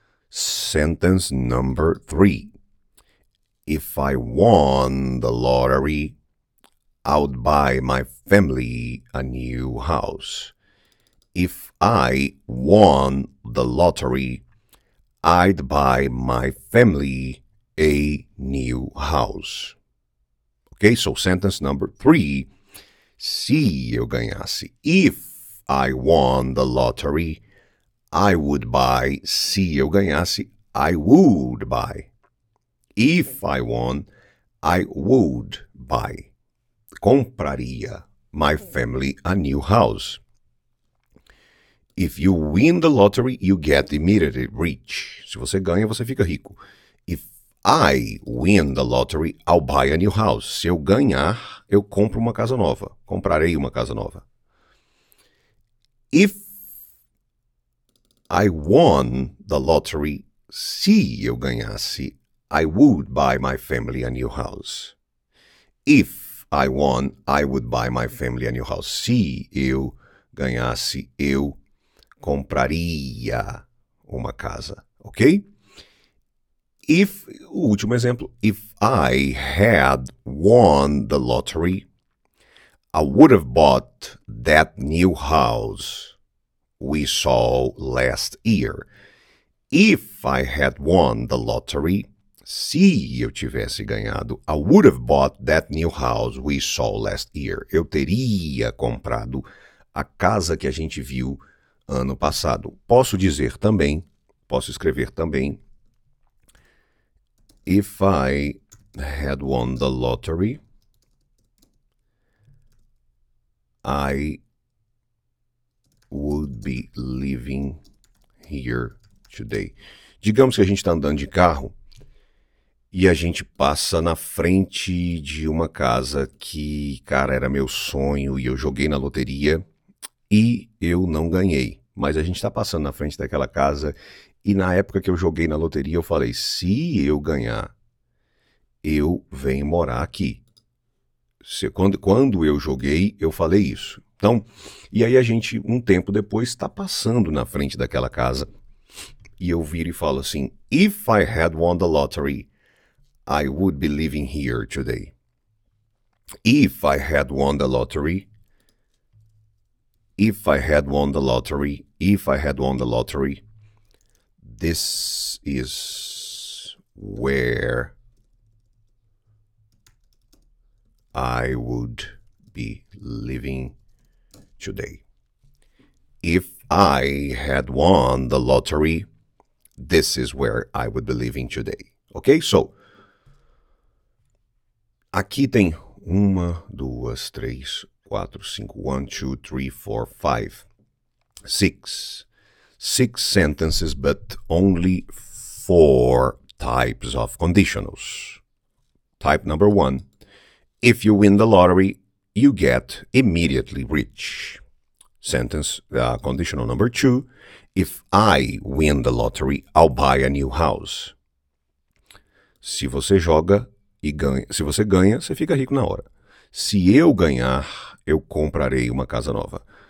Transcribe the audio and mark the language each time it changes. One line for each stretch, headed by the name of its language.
English: Sentence number three. If I won the lottery, I would buy my family a new house. If I won the lottery, I'd buy my family a new house. Okay, so sentence number three.
Portuguese: Se eu ganhasse,
English: if I won the lottery, I would buy,
Portuguese: se eu ganhasse,
English: I would buy. If I won, I would buy.
Portuguese: Compraria
English: my family a new house. If you win the lottery, you get immediately rich.
Portuguese: Se você ganha, você fica rico.
English: If I win the lottery, I'll buy a new house.
Portuguese: Se eu ganhar, eu compro uma casa nova. Comprarei uma casa nova.
English: If I won the lottery,
Portuguese: se eu ganhasse,
English: I would buy my family a new house. If I won, I would buy my family a new house.
Portuguese: Se eu ganhasse, eu compraria uma casa, ok?
English: If,
Portuguese: o último exemplo,
English: if I had won the lottery, I would have bought that new house we saw last year. If I had won the lottery,
Portuguese: se eu tivesse ganhado,
English: I would have bought that new house we saw last year.
Portuguese: Eu teria comprado a casa que a gente viu ano passado. Posso dizer também, posso escrever também,
English: if I had won the lottery, I would be living here today.
Portuguese: Digamos que a gente está andando de carro e a gente passa na frente de uma casa que, cara, era meu sonho e eu joguei na loteria e eu não ganhei. Mas a gente está passando na frente daquela casa e na época que eu joguei na loteria eu falei, se eu ganhar, eu venho morar aqui. Se, quando eu joguei, eu falei isso. Então, e aí a gente, um tempo depois, está passando na frente daquela casa. E eu viro e falo assim,
English: if I had won the lottery, I would be living here today. If I had won the lottery, if I had won the lottery, if I had won the lottery, this is where I would be living today. If I had won the lottery, this is where I would be living today. Ok?
Portuguese: So, aqui tem uma, duas, três, quatro, cinco.
English: One, two, three, four, five, six. Six sentences, but only four types of conditionals. Type number one. If you win the lottery, you get immediately rich. Sentence, conditional number two. If I win the lottery, I'll buy a new house.
Portuguese: Se você joga e ganha, se você ganha, você fica rico na hora. Se eu ganhar, eu comprarei uma casa nova.